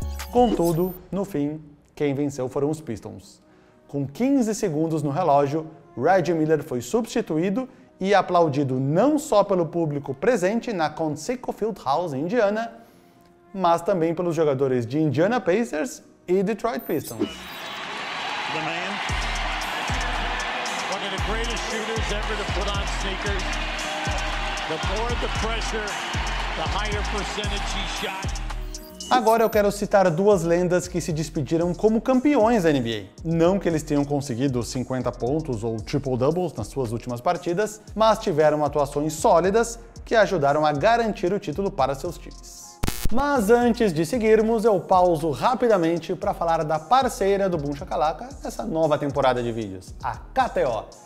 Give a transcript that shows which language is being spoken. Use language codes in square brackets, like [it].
[pt] Contudo, no fim, quem venceu foram os Pistons. Com 15 segundos no relógio, Reggie Miller foi substituído e aplaudido não só pelo público presente na Conseco Fieldhouse em Indiana, mas também pelos jogadores de Indiana Pacers e Detroit Pistons. [en] The man, one of the greatest shooters ever to put on sneakers. The more the pressure, the higher percentage he shot. [pt] Agora eu quero citar duas lendas que se despediram como campeões da NBA. Não que eles tenham conseguido 50 pontos ou triple-doubles nas suas últimas partidas, mas tiveram atuações sólidas que ajudaram a garantir o título para seus times. Mas antes de seguirmos, eu pauso rapidamente para falar da parceira do Boom Shakalaka nessa nova temporada de vídeos, a KTO.